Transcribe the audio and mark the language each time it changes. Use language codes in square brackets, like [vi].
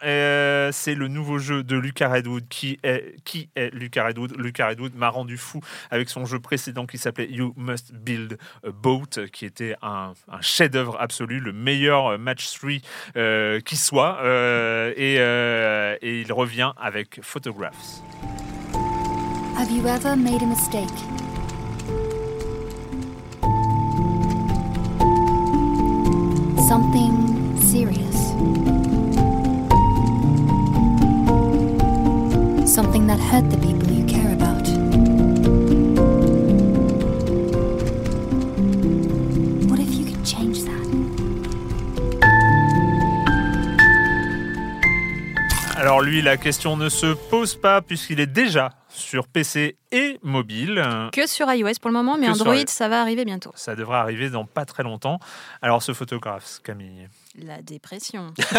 [fr] C'est le nouveau jeu de Lucas Redwood. Qui est Lucas Redwood? Lucas Redwood m'a rendu fou avec son jeu précédent qui s'appelait You Must Build a Boat, qui était un chef-d'œuvre absolu, le meilleur match 3 qui soit. Et il revient avec Photographs. [en] Have you ever made a mistake? Something serious. Something that hurt the people you care about. What if you could change that? [fr] Alors lui, la question ne se pose pas puisqu'il est déjà sur PC et mobile. Que sur iOS pour le moment, mais Android, ça va arriver bientôt. Ça devrait arriver dans pas très longtemps. Alors, ce photographe, Camille. La dépression.